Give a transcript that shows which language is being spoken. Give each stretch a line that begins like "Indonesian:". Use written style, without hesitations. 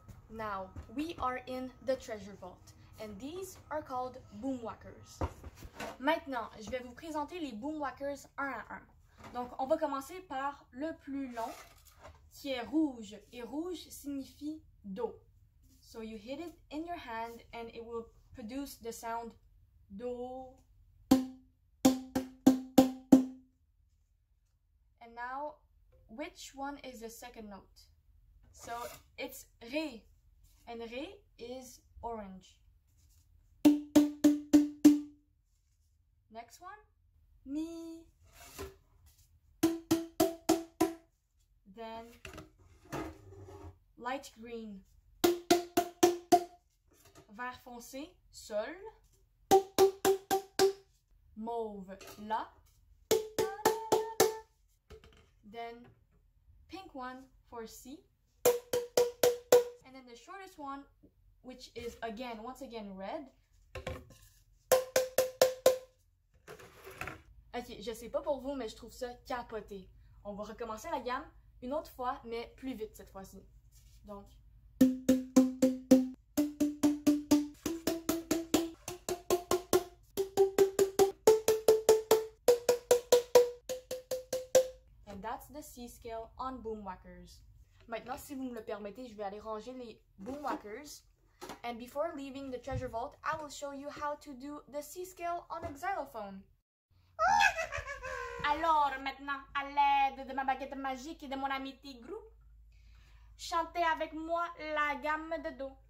English: Now, we are in the treasure vault, and these are called boomwhackers.
French: Maintenant, je vais vous présenter les boomwhackers un à un. Donc, on va commencer par le plus long, qui est rouge, et rouge signifie Do.
English: So you hit it in your hand, and it will produce the sound Do. And now, which one is the second note? So it's Ré. And Ré is orange. Next one. Mi. Then light green.
French: Vert foncé, sol. Mauve, la.
English: Then pink one for C. And then the shortest one, which is again, once again, red.
French: Ok, je sais pas pour vous, mais je trouve ça capoté. On va recommencer la gamme une autre fois, mais plus vite cette fois-ci. Donc.
English: The C scale on boomwhackers.
French: Maintenant, si vous me le permettez, je vais aller ranger les boomwhackers.
English: And before leaving the treasure vault, I will show you how to do the C scale on a xylophone.
French: Alors, maintenant, à l'aide de ma baguette magique et de mon ami Tigrou, chantez avec moi la gamme de Do.